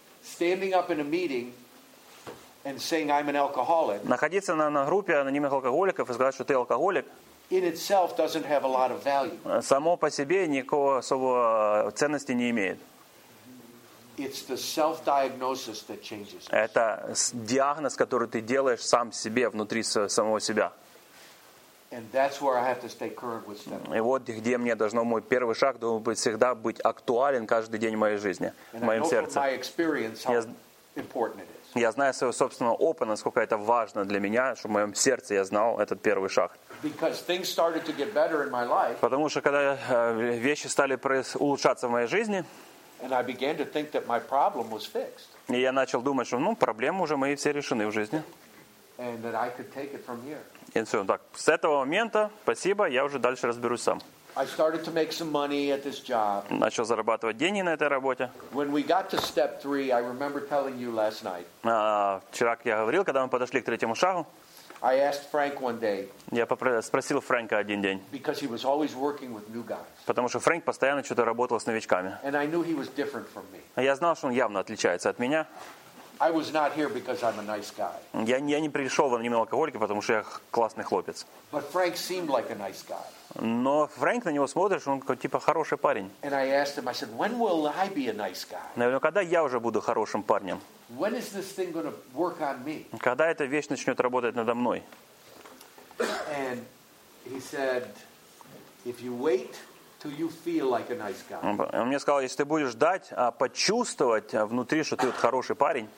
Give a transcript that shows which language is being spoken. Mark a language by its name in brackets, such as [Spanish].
[English] Standing up in a meeting and saying I'm an alcoholic. [Russian] Находиться на группе анонимных алкоголиков и сказать, что ты алкоголик. [English] In itself doesn't have a lot of value. [Russian] Само по себе никакого особого ценности не имеет. [English] It's the self-diagnosis that changes. [Russian] Это диагноз, который ты делаешь сам себе внутри самого себя. [English] And that's where I have to stay current with step. [Russian] И вот где мне должно мой первый шаг должен быть всегда быть актуален каждый день в моей жизни, в моем сердце. [English] My experience how important it is. [Russian] Я знаю своего собственного опыта, насколько это важно для меня, чтобы в моем сердце я знал этот первый шаг. [English] Because things started to get better in my life. [Russian] Потому что когда вещи стали улучшаться в моей жизни, [English] and I began to think that my problem was fixed. [Russian] И я начал думать, что проблемы уже мои все решены в жизни. [English] And that I could take it from here. [Russian] И все, так, с этого момента, спасибо, я уже дальше разберусь сам. [English] I started to make some money at this job. [Russian] Начал зарабатывать деньги на этой работе. [English] When we got to step three, I remember telling you last night. [Russian] Вчера я говорил, когда мы подошли к третьему шагу. [English] I asked Frank one day. [Russian] Я спросил Фрэнка один день. [English] Because he was always working with new guys. [Russian] Потому что Фрэнк постоянно что-то работал с новичками. [English] And I knew he was different from me. [Russian] Я знал, что он явно отличается от меня. [English] I was not here because I'm a nice guy. [Russian] Я не пришел в анонимные алкоголики, потому что я классный хлопец. [English] But Frank seemed like a nice guy. [Russian] Но Фрэнк, на него смотришь, он типа хороший парень. [English] And I asked him, I said, when will I be a nice guy? [Russian] Наверное, когда я уже буду хорошим парнем? [English] When is this thing going to work on me? [Russian] Когда эта вещь начнет работать надо мной? [English] And he said, if you wait till you feel like a nice guy. [Russian] Он мне сказал, если ты будешь ждать, почувствовать внутри, что ты вот хороший парень.